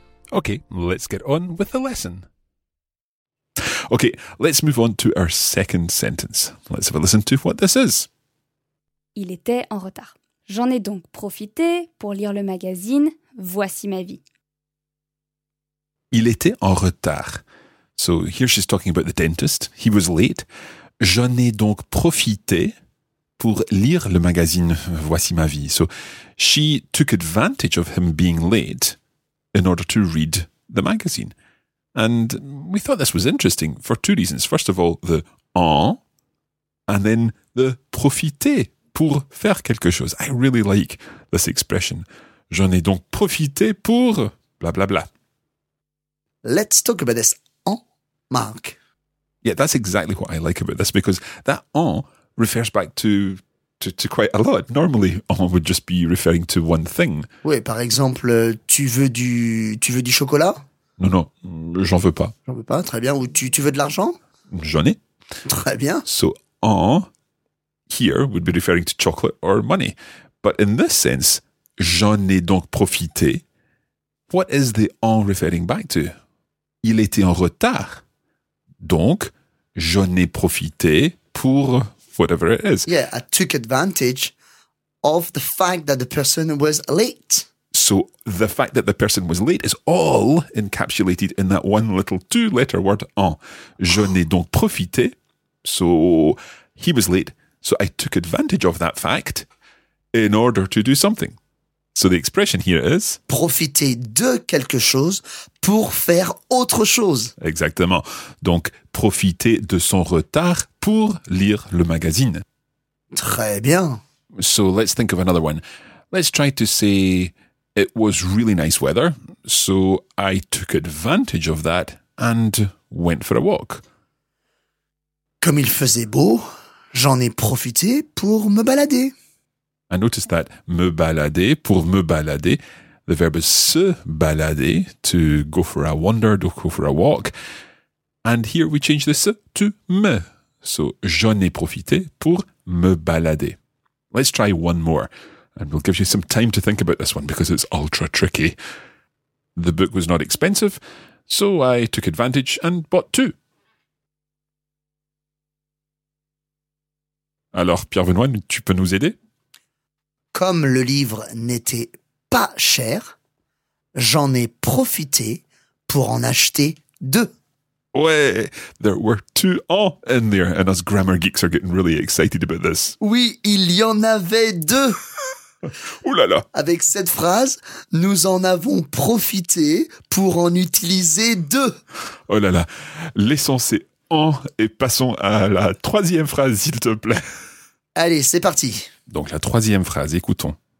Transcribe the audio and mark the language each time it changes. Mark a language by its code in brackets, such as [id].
[en] Okay, let's get on with the lesson. Okay, let's move on to our second sentence. Let's have a listen to what this is. [fr] Il était en retard. J'en ai donc profité pour lire le magazine Voici ma vie. Il était en retard. [en] So here she's talking about the dentist. He was late. [fr] J'en ai donc profité pour lire le magazine Voici ma vie. [en] So she took advantage of him being late in order to read the magazine. And we thought this was interesting for two reasons. First of all, the en, and then the [fr] profiter, pour faire quelque chose. [en] I really like this expression. J'en ai donc profité pour blah, blah, blah. Let's talk about this en, Mark. Yeah, that's exactly what I like about this, because that en refers back to quite a lot. Normally, on would just be referring to one thing. [fr] Oui, par exemple, tu veux du chocolat? Non, non, j'en veux pas. J'en veux pas, très bien. Ou tu veux de l'argent? J'en ai. Très bien. [en] So, en, here, would be referring to chocolate or money. But in this sense, [fr] j'en ai donc profité. [en] What is the en referring back to? [fr] Il était en retard. Donc, j'en ai profité pour [en] whatever it is. Yeah, I took advantage of the fact that the person was late. So the fact that the person was late is all encapsulated in that one little two-letter word, en. [fr] Je n'ai donc profité. [en] So he was late. So I took advantage of that fact in order to do something. So the expression here is... [fr] Profiter de quelque chose pour faire autre chose. Exactement. Donc, profiter de son retard pour lire le magazine. Très bien. [en] So let's think of another one. Let's try to say... It was really nice weather, so I took advantage of that and went for a walk. [fr] Comme il faisait beau, j'en ai profité pour me balader. [en] I noticed that [fr] me balader, pour me balader, [en] the verb is se balader, to go for a wander, to go for a walk. And here we change the se to me. [fr] So j'en ai profité pour me balader. [en] Let's try one more. And we'll give you some time to think about this one because it's ultra tricky. The book was not expensive, so I took advantage and bought two. [fr] Alors, Pierre-Benoît, tu peux nous aider? Comme le livre n'était pas cher, j'en ai profité pour en acheter deux. [en] Ouais, there were two en in there, and us grammar geeks are getting really excited about this. [fr] Oui, il y en avait deux. Ouh là là. Avec cette phrase, nous en avons profité pour en utiliser deux. Oh là là, laissons ces en et passons à la troisième phrase, s'il te plaît. Allez, c'est parti. Donc la troisième phrase, écoutons.